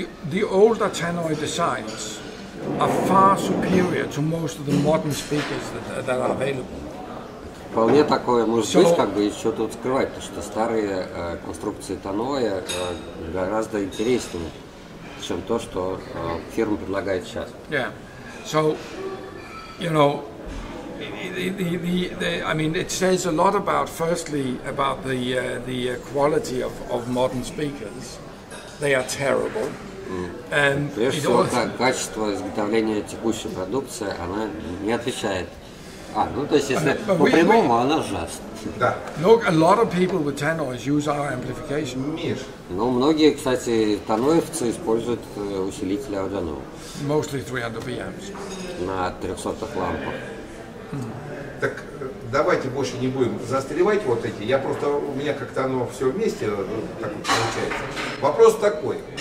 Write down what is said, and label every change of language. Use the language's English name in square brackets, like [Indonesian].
[English] The older Tannoy designs are far superior to most of the modern speakers that are available. [Russian] Вполне такое может быть, как бы еще тут скрывать, потому что старые конструкции Тоноя гораздо интереснее, чем то, что фирма предлагает сейчас. [English] Yeah. So, you know, the I mean, it says a lot about, firstly, about the quality of modern speakers. They are terrible. [Russian] Прежде всего, качество изготовления текущей продукции, она не отвечает. [English] Look, a lot of people with Tannoy use our amplification. [Russian] Ну, многие, кстати, тоноевцы используют усилители Audionaut. [English] Mostly 300 BMs. [Russian] На 300 лампах. Так давайте больше не будем застревать вот эти. Я просто, у меня как-то оно все вместе так вот получается. Вопрос такой.